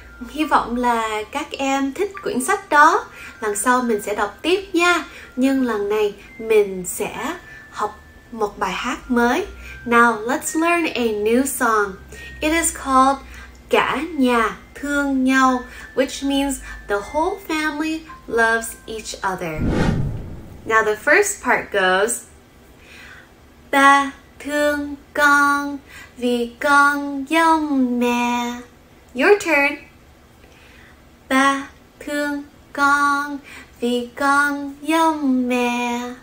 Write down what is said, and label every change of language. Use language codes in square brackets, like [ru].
[vi] Hy vọng là các em thích quyển sách đó. Lần sau mình sẽ đọc tiếp nha. Nhưng lần này mình sẽ học một bài hát mới. [en] Now, let's learn a new song. It is called [vi] Cả Nhà Thương Nhau, [en] which means the whole family loves each other. Now, the first part goes, [vi] Ba thương con vì con giống mẹ. [en] Your turn. [vi] Ba thương con vì con giống mẹ.